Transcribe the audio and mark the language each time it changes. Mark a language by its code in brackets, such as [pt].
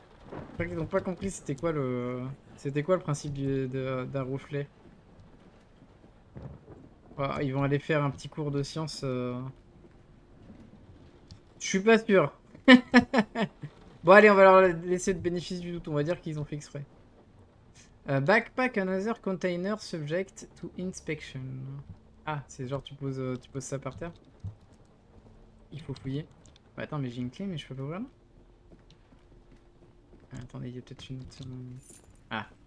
[fr] Je crois qu'ils n'ont pas compris c'était quoi le principe d'un reflet. Oh, ils vont aller faire un petit cours de science. Je suis pas sûr. Bon, allez, on va leur laisser le bénéfice du doute. On va dire qu'ils ont fait exprès. [en] Backpack another container subject to inspection. [fr] Ah, c'est genre tu poses ça par terre. Il faut fouiller. Bah attends, mais j'ai une clé, mais je peux pas ouvrir là. Ah, attendez, il y a peut-être une autre. Ah.